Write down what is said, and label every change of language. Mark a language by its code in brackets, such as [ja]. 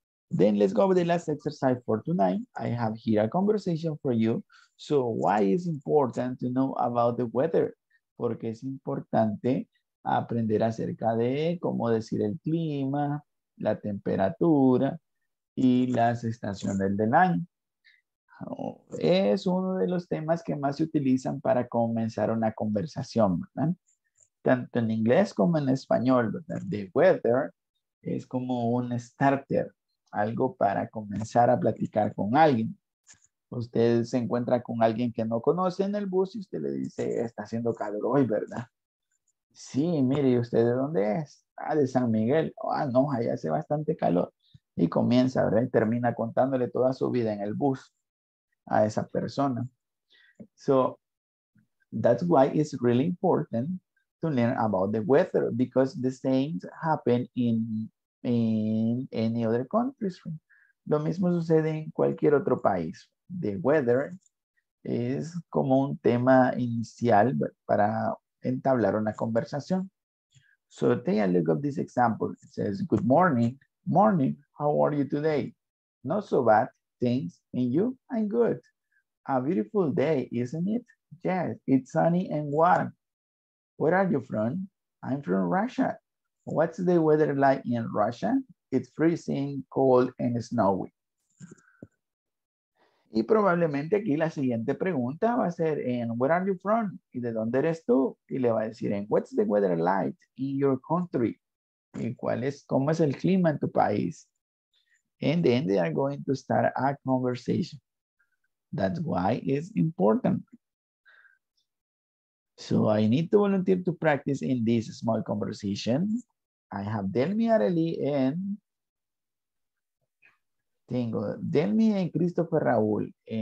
[en] Then let's go with the last exercise for tonight. I have here a conversation for you. So why is important to know about the weather? [es] Porque es importante aprender acerca de cómo decir el clima, la temperatura y las estaciones del año. Es uno de los temas que más se utilizan para comenzar una conversación, ¿verdad? Tanto en inglés como en español, ¿verdad? The weather es como un starter. Algo para comenzar a platicar con alguien. Usted se encuentra con alguien que no conoce en el bus y usted le dice, está haciendo calor hoy, ¿verdad? Sí, mire, ¿y usted de dónde es? Ah, de San Miguel. Ah, no, allá hace bastante calor. Y comienza, ¿verdad? Y termina contándole toda su vida en el bus a esa persona. [en] So, that's why it's really important to learn about the weather, because the same happen in any other countries. [es] Lo mismo sucede en cualquier otro país. The weather es como un tema inicial para entablar una conversación. [en] So take a look at this example. It says, good morning. Morning, how are you today? Not so bad, thanks. And you? I'm good. A beautiful day, isn't it? Yes, it's sunny and warm. Where are you from? I'm from Russia. What's the weather like in Russia? It's freezing, cold, and snowy. [es] Y probablemente aquí la siguiente pregunta va a ser, en [en] where are you from? [es] ¿Y de dónde eres tú? Y le va a decir, en [en] what's the weather like in your country? [es] ¿Y cuál es, cómo es el clima en tu país? [en] And then they are going to start a conversation. That's why it's important. So I need to volunteer to practice in this small conversation. I have Delmi, Arely, and tengo Delmi and Christopher Raúl.